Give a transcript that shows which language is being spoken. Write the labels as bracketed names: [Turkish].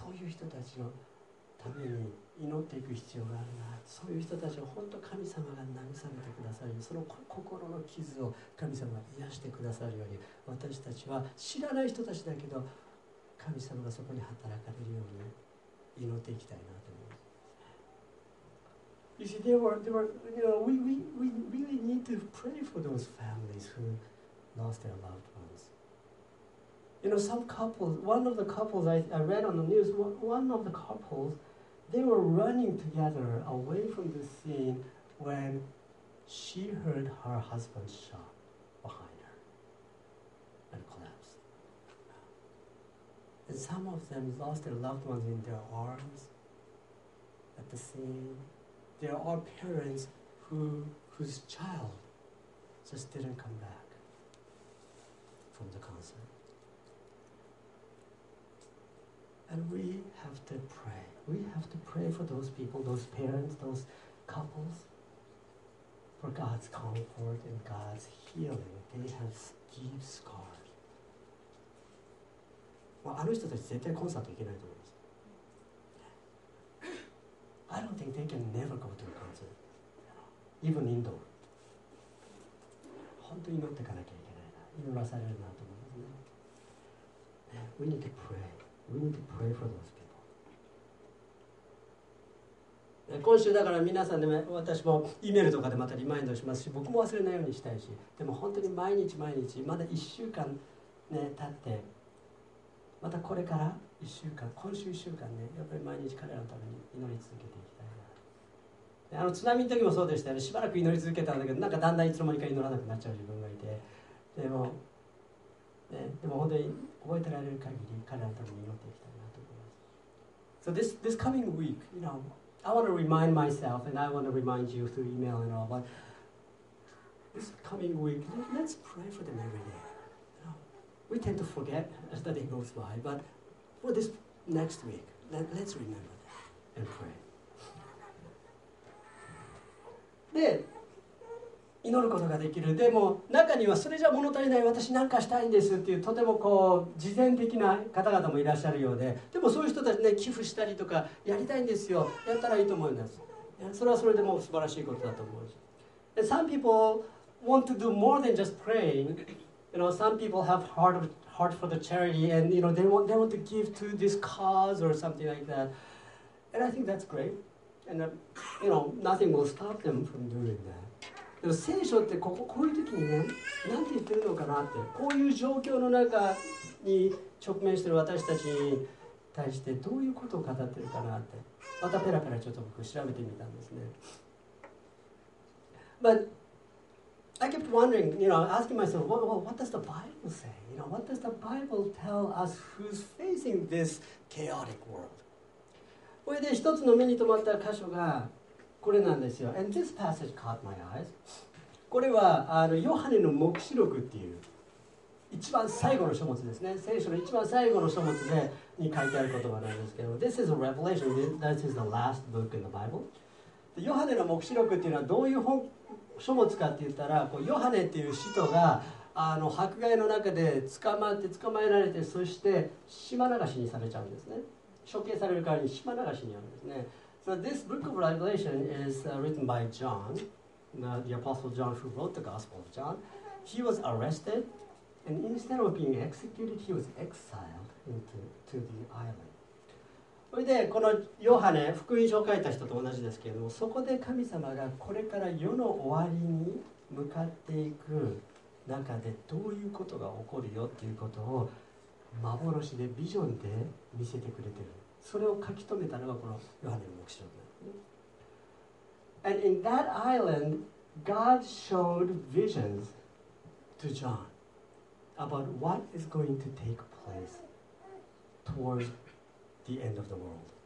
[Japanese] そういう人たちのために祈っていく必要があるな。そういう人たちを本当神様が慰めてくださるように、その心の傷を神様が癒してくださるように、私たちは知らない人たちだけど、神様がそこに働かれるように祈っていきたいなと思います。 [English] You see, they were, you know, we really need to pray for those families who lost their loved ones. You know, some couples, one of the couples I read on the news, one of the couples, they were running together away from the scene when she heard her husband shot behind her and collapsed. And some of them lost their loved ones in their arms at the scene. There are parents whose child just didn't come back from the concert. And we have to pray. We have to pray for those people, those parents, those couples, for God's comfort and God's healing. They have deep scars. [Japanese] Well, あの人たち絶対コンサート行けないと思います。 [English] I don't think they can never go to a concert, even indoor. [Japanese] 本当に祈っていかなきゃいけないな。祈らされるなと思いますね。 [English] We need to pray. We need to pray for those people. [Japanese] 今週だから皆さんでも私もイメールとかでまたリマインドしますし、僕も忘れないようにしたいし、でも本当に毎日毎日、まだ1週間、ね、経って、またこれから1週間、今週1週間ね、やっぱり毎日彼らのために祈り続けていきたいな。であの津波の時もそうでしたよね。しばらく祈り続けたんだけど、なんかだんだんいつの間にか祈らなくなっちゃう自分がいて、でも、ね、でも本当に覚えてられる限り彼らのために祈っていきたいなと思います。 [English] So this coming week, you know, I want to remind myself and I want to remind you through email and all, but this coming week, let's pray for them every day. We tend to forget as the day goes by, but for this next week, let's remember that and pray. [Japanese] で、祈ることができる。でも中にはそれじゃ物足りない、私なんかしたいんですっていうとてもこう慈善的な方々もいらっしゃるようで、でもそういう人たちね、寄付したりとかやりたいんですよ、やったらいいと思うんです。それはそれでも素晴らしいことだと思うし、 [English] Some people want to do more than just praying. You know, some people have heart for the charity, and you know, they want to give to this cause or something like that. And I think that's great. And you know, nothing will stop them from doing that. [Japanese] でも聖書ってこういう時にね、なんて言ってるのかなって、こういう状況の中に直面してる私たちに対してどういうことを語ってるかなって、またペラペラちょっと僕調べてみたんですね。 [English] ButI kept wondering, you know, asking myself, what does the Bible say? You know, what does the Bible tell us who's facing this chaotic world? [Japanese] これで一つの目に留まった箇所が、これなんですよ。 [English] And this passage caught my eyes. [Japanese] これはヨハネの黙示録っていう一番最後の書物ですね。聖書の一番最後の書物でに書いてある言葉なんですけど、 [English] This is a revelation. This is the last book in the Bible. [Japanese] でヨハネの黙示録っていうのはどういう本書物かって言ったら、こうヨハネっていう使徒が迫害の中で捕まえられて、そして島流しにされちゃうんですね。処刑される代わりに島流しにあるんですね。 [English] So this book of Revelation is written by John, the apostle John who wrote the Gospel of John. He was arrested, and instead of being executed, he was exiled to the island. [Japanese] それでこのヨハネ、福音書を書いた人と同じですけれども、そこで神様がこれから世の終わりに向かっていく中でどういうことが起こるよっていうことを幻でビジョンで見せてくれてる。それを書き留めたのがこのヨハネの黙示録なんですね。 [English] And in that island, God showed visions to John about what is going to take place towards the end of the world.